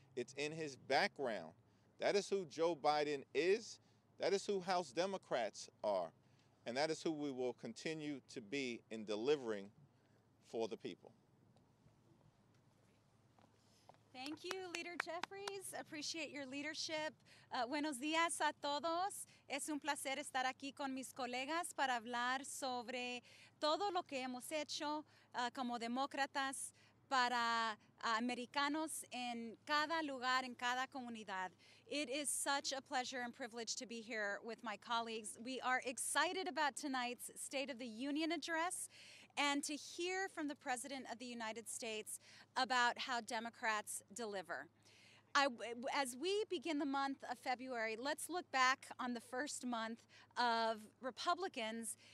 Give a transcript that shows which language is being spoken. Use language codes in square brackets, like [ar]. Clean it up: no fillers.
[en] It's in his background. That is who Joe Biden is. That is who House Democrats are. And that is who we will continue to be in delivering for the people. Thank you, Leader Jeffries. Appreciate your leadership. [es] Buenos días a todos. Es un placer estar aquí con mis colegas para hablar sobre todo lo que hemos hecho como demócratas para americanos en cada lugar, en cada comunidad. [en] It is such a pleasure and privilege to be here with my colleagues. We are excited about tonight's State of the Union address and to hear from the President of the United States about how Democrats deliver. As we begin the month of February, let's look back on the first month of Republicans